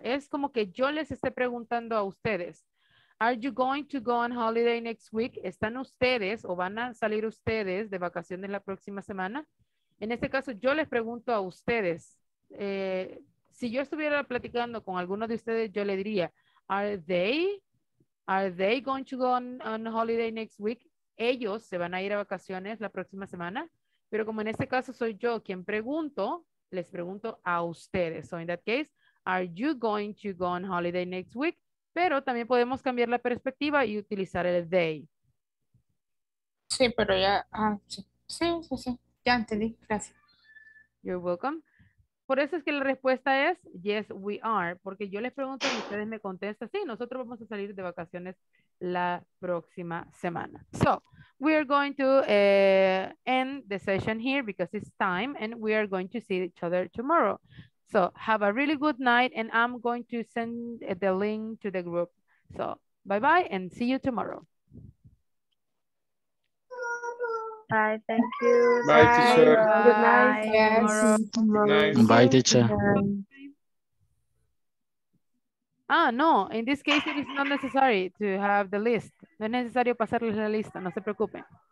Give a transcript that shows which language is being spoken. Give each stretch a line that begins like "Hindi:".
Spanish: Es como que yo les esté preguntando a ustedes.
English: Are you going to go on holiday next week?
Spanish: ¿Están ustedes o van a salir ustedes de vacaciones la próxima semana? En este caso, yo les pregunto a ustedes, si yo estuviera platicando con alguno de ustedes, yo le diría,
English: are they going to go on holiday next week?
Spanish: Ellos se van a ir a vacaciones la próxima semana. Pero como en este caso soy yo quien pregunto, les pregunto a ustedes.
English: So in that case, are you going to go on holiday next week?
Spanish: Pero también podemos cambiar la perspectiva y utilizar el they. Sí, pero ya, sí. Ya entendí, gracias.
English: You're welcome.
Spanish: Por eso es que la respuesta es,
English: yes, we are.
Spanish: Porque yo les pregunto y ustedes me contestan, sí, nosotros vamos a salir de vacaciones la próxima semana.
English: So, we are going to end the session here because it's time and we are going to see each other tomorrow. So, have a really good night and I'm going to send the link to the group. So, bye-bye and see you tomorrow. Bye, thank you. Bye, bye, teacher. Bye. Good night. Bye, yes. Tomorrow. Bye, teacher. Ah, no, in this case it is not necessary to have the list.
Spanish: No es necesario pasarles la lista, no se preocupen.